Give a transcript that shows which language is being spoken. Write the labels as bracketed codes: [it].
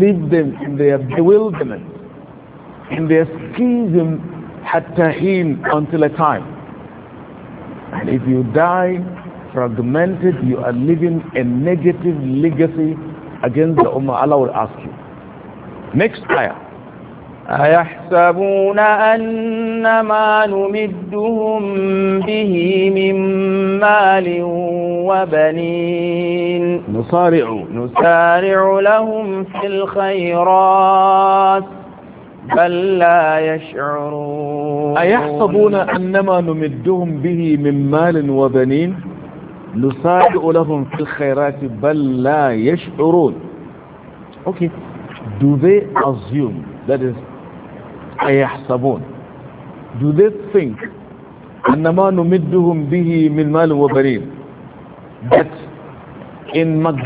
[en] Leave them in their bewilderment, in their schism, [ar] حَتَّى حِينَ, [en] until a time. And if you die fragmented, you are leaving a negative legacy against the ummah. Allah will ask you. Next ayah. [ar] أيحسبون أن ما نمدهم به من مال وبنين نسارع لهم في الخيرات بل لا يشعرون أيحسبون أن ما نمدهم به من مال وبنين نسارع لهم في الخيرات بل لا يشعرون. [en] Okay, do they assume, that is, أيحسبون, do they think [ar] أنما نمدهم به من مال وبنين, [en] that in